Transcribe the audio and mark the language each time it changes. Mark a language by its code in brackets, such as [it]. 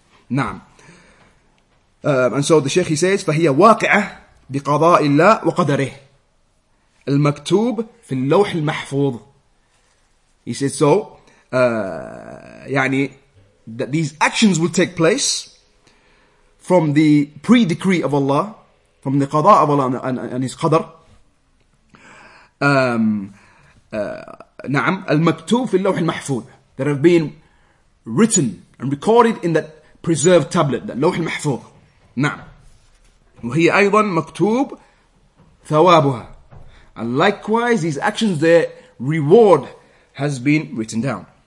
[ar] Naam. [en] And so the Shaykh, he says, [ar] فَهِيَ وَاقِعَةٌ بِقَضَاءِ اللَّهِ وَقَدَرِهِ المكتوب في اللوح المحفوظ. [en] He says so. يعني that these actions will take place from the pre-decree of Allah, from the qada of Allah and His qadr. [ar] نعم المكتوب في اللوح المحفوظ. [en] That have been written and recorded in that preserved tablet, that لوح المحفوظ. [ar] نعم. وهي أيضا مكتوب ثوابها. [en] And likewise, these actions, their reward has been written down.